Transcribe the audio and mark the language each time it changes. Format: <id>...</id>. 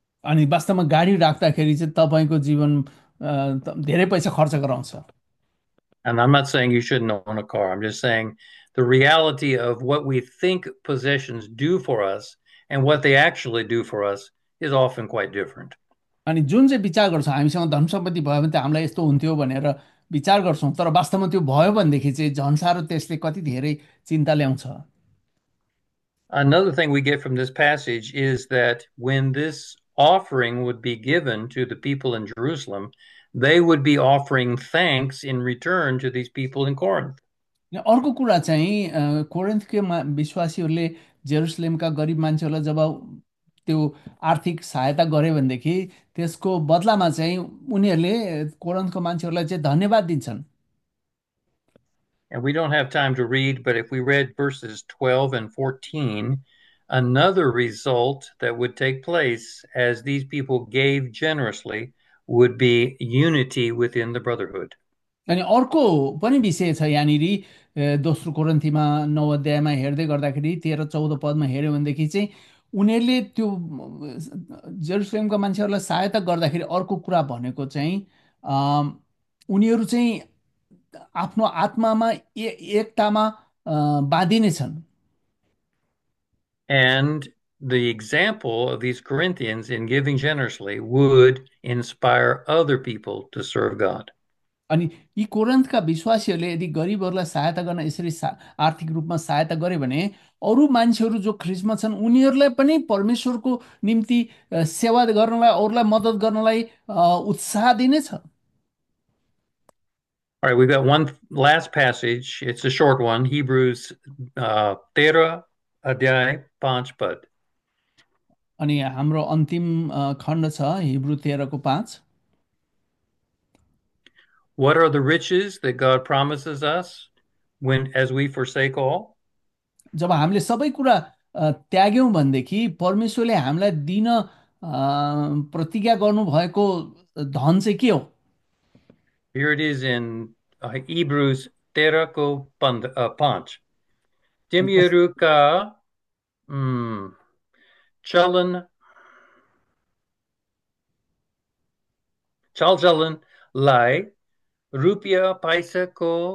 <ne>अनि वास्तवमा गाडी राख्दाखेरि चाहिँ तपाईँको जीवन धेरै पैसा खर्च गराउँछ।</ne> <en>And I'm not saying you shouldn't own a car. I'm just saying the reality of what we think possessions do for us and what they actually do for us is often quite different.</en> <ne>अनि जुन चाहिँ विचार गर्छौँ हामीसँग धन सम्पत्ति भयो भने त हामीलाई यस्तो हुन्थ्यो भनेर विचार गर्छौँ, तर वास्तवमा त्यो भयो भनेदेखि चाहिँ झन् साह्रो त्यसले कति धेरै चिन्ता ल्याउँछ।</ne> <en>Another thing we get from this passage is that when this offering would be given to the people in Jerusalem, they would be offering thanks in return to these people in Corinth.</en> <ne>अर्को कुरा चाहिँ कोरिन्थको विश्वासीहरूले जेरुसलेमका गरिब मान्छेहरूलाई जब त्यो आर्थिक सहायता गरे भनेदेखि त्यसको बदलामा चाहिँ उनीहरूले कोरन्थको मान्छेहरूलाई चाहिँ धन्यवाद दिन्छन्।</ne> <en>And we don't have time to read, but if we read verses 12 and 14, another result that would take place as these people gave generously would be unity within the brotherhood.</en> <ne>अनि अर्को पनि विषय छ यहाँनिर दोस्रो कोरन्थीमा नौ अध्यायमा हेर्दै गर्दाखेरि 13-14 पदमा हेऱ्यो भनेदेखि चाहिँ उनीहरूले त्यो जेरुसलेमका मान्छेहरूलाई सहायता गर्दाखेरि अर्को कुरा भनेको चाहिँ उनीहरू चाहिँ आफ्नो आत्मामा एकतामा बाँधिने छन्।</ne> <en>And the example of these Corinthians in giving generously would inspire other people to serve God.</en> <ne>अनि यी कोरन्थका विश्वासीहरूले यदि गरिबहरूलाई सहायता गर्न यसरी आर्थिक रूपमा सहायता गरे भने अरू मान्छेहरू जो ख्रिस्टमा छन् उनीहरूलाई पनि परमेश्वरको निम्ति सेवा गर्नलाई, अरूलाई मद्दत गर्नलाई उत्साह दिनेछ।</ne> <en>All right, we've got one last passage. It's a short one, Hebrews 13.</en> <ne>अध्याय पाँच पद अनि हाम्रो अन्तिम खण्ड छ Hebrew 13:5।</ne> <en>What are the riches that God promises us when as we forsake all?</en> <ne>जब हामीले सबै कुरा त्याग्यौँ भनेदेखि परमेश्वरले हामीलाई दिन प्रतिज्ञा गर्नुभएको धन चाहिँ के हो?</ne> <en>Here it is in Hebrews 13</en> <ne>पाँच तिमीहरूका चलचलनलाई रुपियाँ पैसाको</ne>